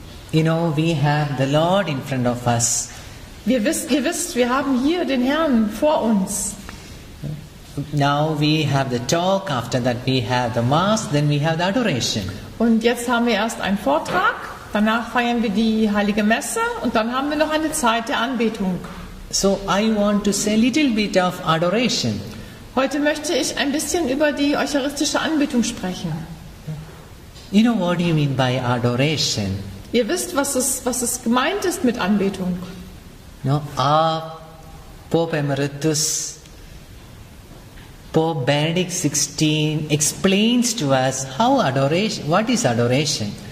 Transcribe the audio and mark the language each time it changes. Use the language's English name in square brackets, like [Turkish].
[English] You know, we have the Lord in front of us. [German] Ihr wisst, wir haben hier den Herrn vor uns. [English] Now we have the talk, after that we have the mass, then we have the adoration. [German] Und jetzt haben wir erst einen Vortrag, danach feiern wir die Heilige Messe und dann haben wir noch eine Zeit der Anbetung. [English] So I want to say a little bit of adoration. [German] Heute möchte ich ein bisschen über die eucharistische Anbetung sprechen. [English] You know what you mean by adoration? [German] Ihr wisst, was es gemeint ist mit Anbetung. [English] No, Pope Emeritus, Pope Benedict XVI explains to us how adoration, what is adoration?